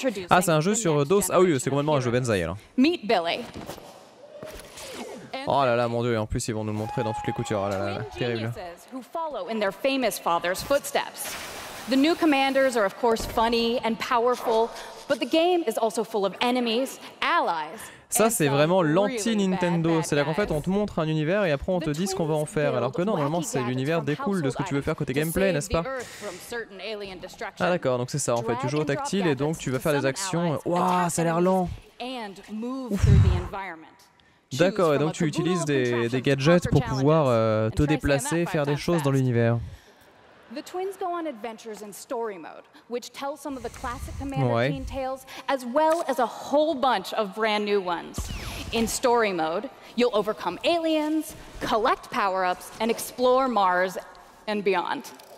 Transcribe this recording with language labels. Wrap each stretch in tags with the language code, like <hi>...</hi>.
<fr>Ah, c'est un jeu sur DOS. Ah oui, c'est complètement un jeu Banzai, alors.</fr> <en>Meet Billy.</en> <fr>Oh là là, mon dieu, en plus, ils vont nous le montrer dans toutes les coutures. Oh là là, terrible.</fr> <en>Who follow in their famous father's footsteps. The new commanders are, of course, funny and powerful, but the game is also full of enemies, allies...</en> <fr>Ça, c'est vraiment l'anti-Nintendo. C'est-à-dire qu'en fait, on te montre un univers et après, on te dit ce qu'on va en faire. Alors que non, normalement, c'est l'univers découle de ce que tu veux faire côté gameplay, n'est-ce pas? Ah d'accord, donc c'est ça, en fait. Tu joues au tactile et donc tu vas faire des actions. Ouah, ça a l'air lent. Ouf. D'accord, et donc tu utilises des gadgets pour pouvoir te déplacer, faire des choses dans l'univers.</fr> <en>The twins go on adventures in story mode, which tells some of the classic Commander Keen tales, as well as a whole bunch of brand new ones. In story mode, you'll overcome aliens, collect power-ups, and explore Mars and beyond.</en>